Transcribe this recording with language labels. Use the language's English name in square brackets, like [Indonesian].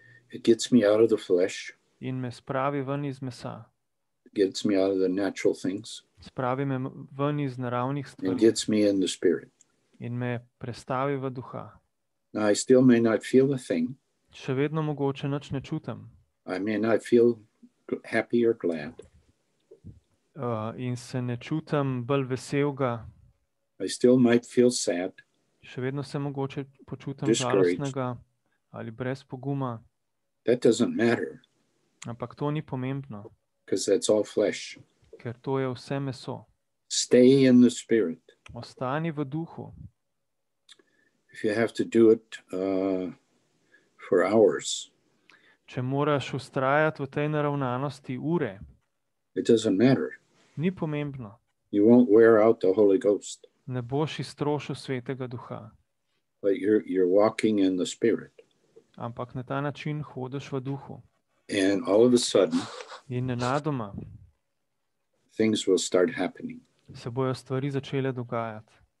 [English] It gets me out of the flesh. [Slovenian] In me spravi ven iz mesa. [English] It gets me out of the natural things. [Slovenian] Spravi me ven iz naravnih stvari. [English] It gets me in the spirit. [Slovenian] In me prestavi v duha. [English] Now I still may not feel a thing. [Slovenian] Še vedno mogoče nič ne čutim. [English] I may not feel happy or glad. [Slovenian] In se ne čutim bolj veselga. [English] I still might feel sad. [Slovenian] Še vedno se mogoče počutim žalostnega ali brez poguma. [English] That doesn't matter. [Slovenian] Ampak to ni pomembno. [English] Because that's all flesh. [Slovenian] Ker to je vse meso. [English] Stay in the spirit. [Slovenian] Ostani v duhu. [English] If you have to do it for hours. [Slovenian] Če moraš ustrajati v tej naravnanosti ure. [English] It doesn't matter. [Slovenian] Ni pomembno. [English] You won't wear out the Holy Ghost. [Slovenian] Ne boš iztrošil Svetega Duha. [English] But you're walking in the spirit. [Slovenian] Ampak na ta način hodiš v duhu. [English] And all of a sudden, [Slovenian] in nenadoma, [English] things will start happening. [Slovenian] Se bojo stvari začele dogajati.